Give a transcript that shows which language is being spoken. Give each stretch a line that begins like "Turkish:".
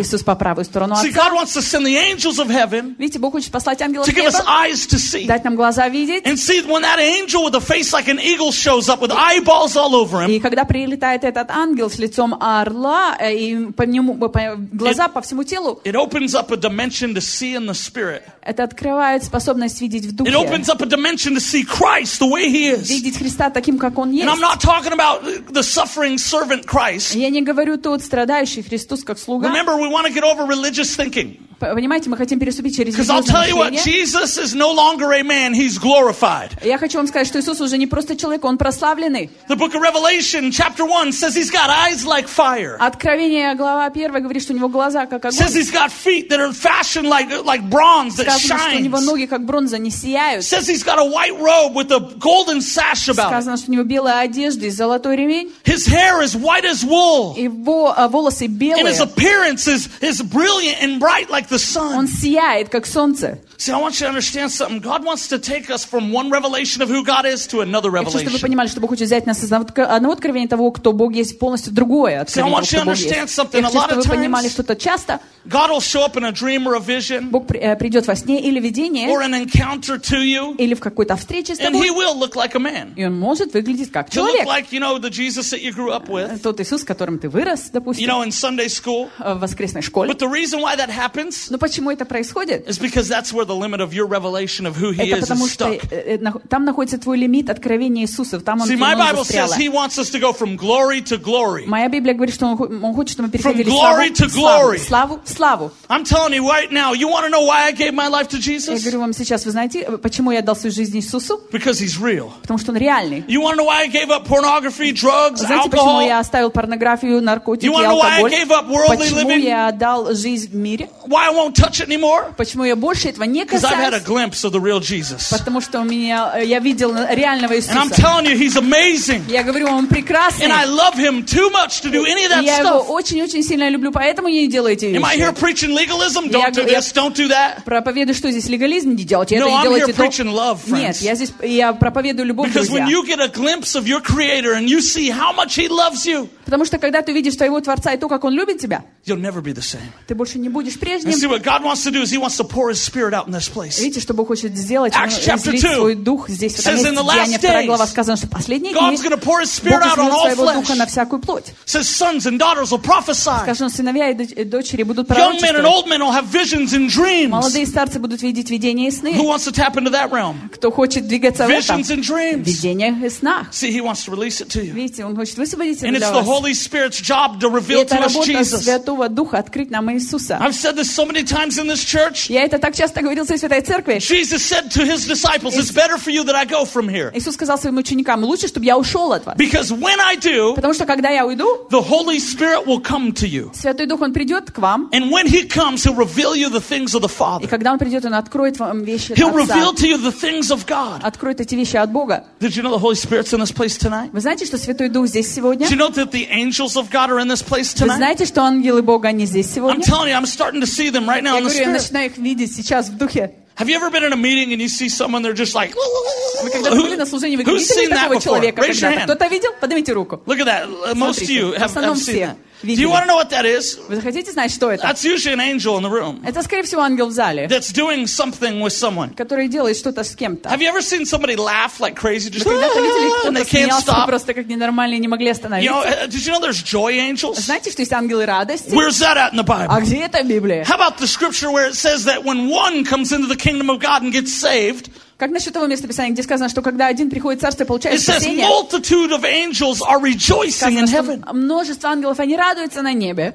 Russian: Иисус по правую сторону Отца.
English: See, God wants to send the angels of heaven.
Russian: Видите, Бог хочет послать ангелов неба.
English: To give us eyes to see.
Russian: Дать нам глаза видеть.
English: And see when that angel with a face like an eagle shows up with eyeballs all over him.
Russian: И когда прилетает этот ангел с лицом орла и по нему глаза по всему телу.
English: It opens up a dimension to see in the spirit.
Russian: Это открывает способность видеть в духе.
English: It opens up a dimension to see Christ the way he is.
Russian: Видеть Христа таким, как он есть.
English: And I'm not talking about the suffering servant Christ.
Russian: Я не говорю тот страдающий Христос как слуга.
English: Remember, we want to get over religious thinking.
Russian: Понимаете, мы хотим переступить через религиозное мышление.
English: Because I'll tell you what, Jesus is no longer a man, he's glorified.
Russian: Я хочу вам сказать, что Иисус уже не просто человек, он прославленный.
English: The book of Revelation, chapter 1, says he's got eyes like fire.
Russian: Откровение, глава 1, говорит, что у него глаза как огонь.
English: Says he's got feet that are fashioned like bronze, that
Russian: Сказано, Что у него ноги как бронза, они сияют.
English: Says he's got a white robe with a golden sash about it.
Russian: Сказано, что у него белая одежда и золотой ремень.
English: His hair is white as wool.
Russian: Его волосы белые.
English: And his appearance is brilliant and bright like the sun.
Russian: Он сияет как солнце.
English: See, I want you to understand something. God wants to take us from one revelation of who God is to another revelation.
Russian: Хочу, чтобы вы понимали, что Бог хочет взять нас из одного откровения того, кто Бог есть, полностью другое откровение.
English: See, I want you to understand something.
Russian: Хочу, чтобы вы понимали, что-то часто.
English: God will show up in a dream or a vision.
Russian: Бог придет во сне или видение.
English: Or an encounter to you.
Russian: Или в какой-то встрече с тобой.
English: And he will look like a man.
Russian: И он может выглядеть как человек.
English: He'll look like, you know, the Jesus that you grew up with.
Russian: Тот Иисус, которым ты вырос, допустим.
English: You know, in Sunday school.
Russian: В воскресной школе.
English: But the reason why that happens.
Russian: Но почему это происходит?
English: Is because that's where the limit of your revelation of who he is stuck.
Russian: Там находится твой лимит откровения Иисуса. Там он.
English: See, my Bible says he wants us to go from glory to glory.
Russian: Моя Библия говорит, что он хочет, чтобы мы переходили
English: from glory to glory.
Russian: Славу, славу.
English: I'm telling you right now, you want to know why I gave my life to Jesus?
Russian: Я говорю вам сейчас, вы знаете, почему я дал свою жизнь Иисусу?
English: Because he's real.
Russian: Потому что он реальный.
English: You want to know why I gave up pornography, drugs, alcohol?
Russian: Знаете, почему я оставил порнографию, наркотики, алкоголь?
English: You want to know why I gave up worldly living?
Russian: Почему я отдал жизнь в мире?
English: Why I won't touch it anymore?
Russian: Почему я больше этого
English: Because I've had a glimpse of the real Jesus.
Russian: Потому что у меня я видел реального Иисуса.
English: And I'm telling you, he's amazing.
Russian: Я говорю вам, он прекрасный.
English: And I love him too much to do any of that stuff.
Russian: Я его очень-очень сильно люблю, поэтому я не делаю эти вещи.
English: Am I here preaching legalism? Don't do this, don't do that.
Russian: Проповедую, что здесь легализм, не делайте это, не делайте то.
English: No, I'm here preaching love, friends.
Russian: Нет, я здесь я проповедую любовь, друзья.
English: Because when you get a glimpse of your Creator and you see how much he loves you.
Russian: Потому что когда ты видишь твоего Творца и то, как он любит тебя,
English: you'll never be the same.
Russian: Ты больше не будешь прежним.
English: See, what God wants to do is he wants to pour his spirit out in this place.
Russian: Видите, что Бог хочет сделать?
English: Acts chapter 2 says in the last days, God's going to pour his spirit out on all flesh.
Russian: На всякую плоть.
English: Says sons and daughters will prophesy.
Russian: Сказано, сыновья и дочери будут пророчествовать.
English: Young men and old men will have visions and dreams.
Russian: Молодые старцы будут видеть видения и сны.
English: Who wants to tap into that realm?
Russian: Кто хочет двигаться в этом?
English: Visions and dreams.
Russian: Видения и сна.
English: See, he wants to release it to you.
Russian: Видите, он хочет высвободить это для вас.
English: Holy Spirit's job to reveal to us Jesus.
Russian: Это работа Святого Духа открыть нам Иисуса.
English: I've said this so many times in this church.
Russian: Я это так часто говорил в Святой Церкви.
English: Jesus said to his disciples, "It's better for you that I go from here."
Russian: Иисус сказал своим ученикам, лучше, чтобы я ушел от вас.
English: Because when I do,
Russian: потому что когда я уйду,
English: the Holy Spirit will come to you.
Russian: Святой Дух он придет к вам.
English: And when he comes, he'll reveal you the things of the Father.
Russian: И когда он придет, он откроет вам вещи Отца.
English: He'll reveal to you the things of God.
Russian: Откроет эти вещи от Бога.
English: Did you know the Holy Spirit's in this place tonight?
Russian: Вы знаете, что Святой Дух здесь сегодня?
English: Do you know that the angels of God are in this place tonight.
Russian: Вы знаете, что ангелы Бога они здесь сегодня?
English: I'm telling you, I'm starting to see them right now in the spirit.
Russian: Я говорю, я начинаю их видеть сейчас в духе.
English: Have you ever been in a meeting and you see someone they're just like? Who's seen that before? Raise your hand.
Russian: Кто-то видел? Поднимите руку.
English: Look at that. Most of you have seen that.
Russian: Видели.
English: Do you want to know what that is?
Russian: Вы хотите знать, что это?
English: That's usually an angel in the room.
Russian: Это, скорее всего, ангел в зале.
English: That's doing something with someone.
Russian: Который делает что-то с кем-то.
English: Have you ever seen somebody laugh like crazy? Just
Russian: когда-то видели, кто-то
English: and they can't stop.
Russian: Просто как ненормальные, не могли остановиться.
English: You know, did you know there's joy angels?
Russian: Знаете, что есть ангелы радости?
English: Where's that at in the Bible?
Russian: А где это в Библии?
English: How about the scripture where it says that when one comes into the kingdom of God and gets saved?
Russian: Как насчет того места Писания, где сказано, что когда один приходит в царство, получает спасение? Сказано, что множество ангелов, они радуются на небе.